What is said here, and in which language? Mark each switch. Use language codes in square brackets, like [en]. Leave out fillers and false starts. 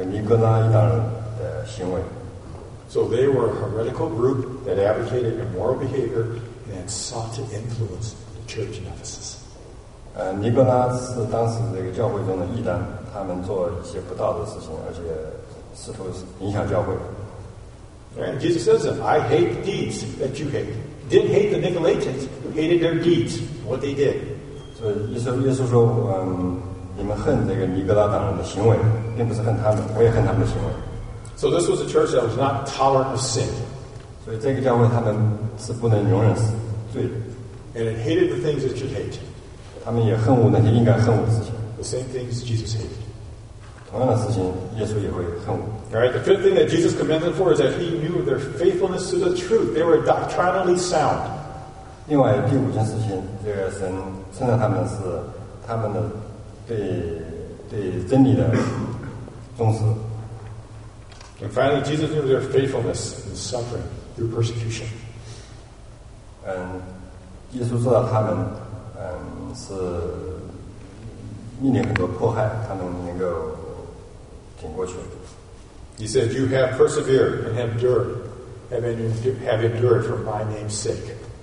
[zh] 所以在第六节中，耶稣提到这个教会他们非常恨恶这个尼哥拉一党人的行为。 [en] So they were a heretical group that advocated immoral behavior and sought to influence the church in Ephesus. [zh] 尼哥拉是当时这个教会中的异端，他们做一些不道的事情，而且试图影响教会。 [en] And Jesus says, I hate deeds that you hate. Didn't hate the Nicolaitans, you hated their deeds, what they did. So, [zh] 耶稣说，你们恨这个尼格拉党人的行为，并不是恨他们，我也恨他们的行为。 [en] So this was a church that was not tolerant of sin. [zh] 所以这个教会他们是不能容忍罪的。 [en] And it hated the things that you hate. [zh] 他们也恨恶那些应该恨恶的事情。 [en] The same things Jesus hated. [zh] 同样的事情，耶稣也会恨恶。 [en] All right, the fifth thing that Jesus commended them for is that he knew their faithfulness to the truth. They were doctrinally sound. [zh] 另外第五件事情，这个神称赞他们是他们的对真理的忠实。 [en] And finally, Jesus knew their faithfulness in suffering through persecution. [zh] 耶稣知道他们，是面临很多迫害，他们能够挺过去。 [en] He said, "You have persevered and have endured, have endured for my name's sake."